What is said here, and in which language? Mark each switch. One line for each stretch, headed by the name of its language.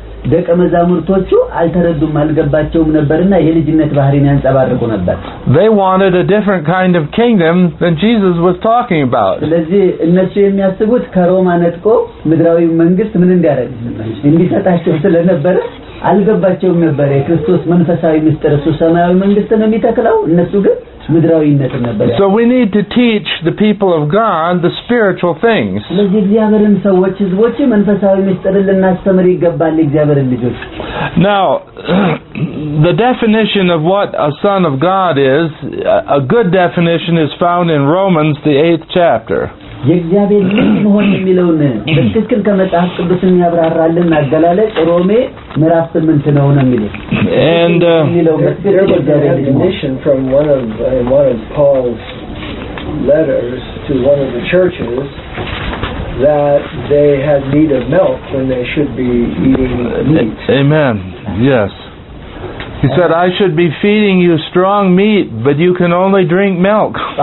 Amharic: ደቀ መዛሙርቶቹ አልተረዱም አልገባቸውም ነበርና የልጅነት ባህሪን ያንጸባርቁ ነበር.
English: They wanted a different kind of kingdom than Jesus was talking about.
Amharic: ስለዚህ እነሱ የሚያስቡት ከሮማ ነጥቆ ምድራዊ መንግስት ምን እንዲያረግ እንዲሰጣቸው ስለነበር አልገባቸውም ነበር የክርስቶስ መንፈሳዊ ምስጢር እሱ ሰማያዊ መንግስትን የሚተክለው እነሱ ግን ምድራዊነትን ነበር.
English: So we need to teach the people of God the spiritual things.
Amharic: ስለዚህ እግዚአብሔርን ሰዎች ህዝቦች መንፈሳዊ ምስጢር ልናስተምር ይገባል እግዚአብሔርን ልጆች.
English: Now the definition of what a son of God is, a good definition is found in Romans the 8th chapter.
Amharic: የእግዚአብሔር ልጅ መሆን የሚለውን በትክክል ከመጽሐፍ ቅዱስ የሚያብራራልን አገላለጽ ሮሜ ምዕራፍ 8 ነው የሚለው.
English: And definition from one of Paul's letters to one of the churches that they had need of milk when they should be eating meat. Amen. Yes. He said, I should be feeding you strong meat, but you can only drink milk.